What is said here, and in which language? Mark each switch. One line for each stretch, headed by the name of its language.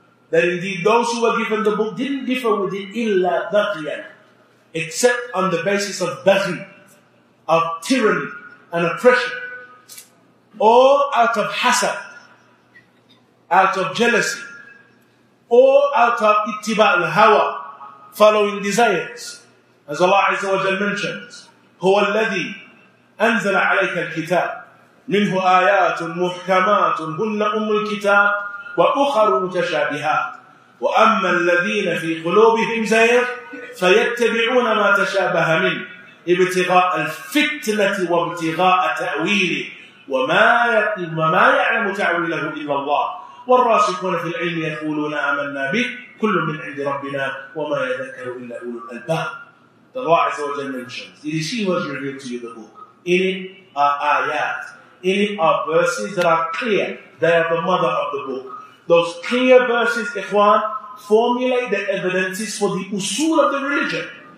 English: That indeed those who were given the book didn't differ with it
Arabic: إِلَّا بَغْيًا,
English: except on the basis of baghi, of tyranny and oppression, or out of hasad, out of jealousy, or out of ittiba' al-hawa, following desires. As Allah Azza wa Jal mentions,
Arabic: هُوَ الَّذِي أَنزَلَ عَلَيْكَ الْكِتَابِ مِنْهُ آيَاتٌ مُحْكَمَاتٌ هُنَّ أُمُّ الْكِتَابِ وَأُخَرُ مُتَشَابِهَاتٌ وَأَمَّا الَّذِينَ فِي قُلُوبِهِمْ زَيْغٌ فَيَتَّبِعُونَ مَا تَشَابَهَ مِنْهُ ابتغاء الفتنة وابتغاء تأويله وما يعلم تأويله إلا الله والراسخون في العلم يقولون آمنا به كل من عند ربنا وما يذكر إلا أولو الألباب.
English: The Lord Azza wa Jalla mentions, it is He who has revealed to you the book. In it are ayat. In it are verses that are clear. They are the mother of the book. Those clear verses, ikhwan, formulate the evidences for the usul of the religion.